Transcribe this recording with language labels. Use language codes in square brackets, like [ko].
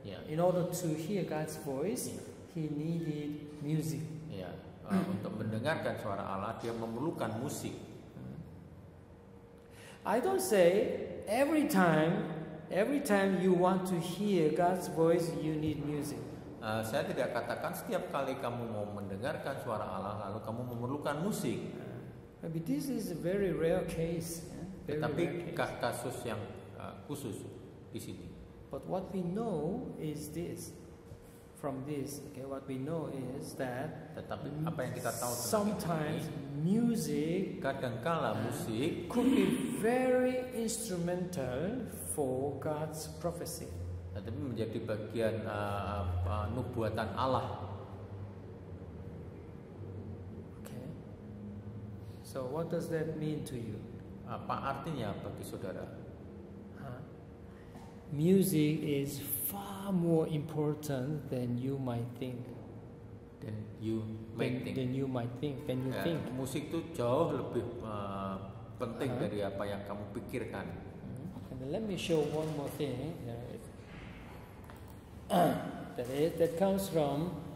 [en] In order to hear God's voice, he needed music. [id] Ya, untuk mendengarkan suara Allah dia memerlukan musik. [en] I don't say every time you want to hear God's voice, you need music. [id] Saya tidak katakan setiap kali kamu mau mendengarkan suara Allah lalu kamu memerlukan musik. [en] But this is a very rare case. [id] Tetapi kasus yang khusus di sini. [en] But what we know is this. From this, okay, what we know is that. [id] Tetapi apa yang kita tahu? [en] Sometimes [id] ini, [en] music. [id] Kadangkala musik. [en] Could be very instrumental for God's prophecy. [id] Tetapi menjadi bagian nubuatan Allah. [en] Okay. So what does that mean to you? [id] Apa artinya bagi saudara? [en] Music is far more important than you might think. Than you might think. [id] Musik itu jauh lebih penting dari apa yang kamu pikirkan. [en] And let me show one more thing. That comes from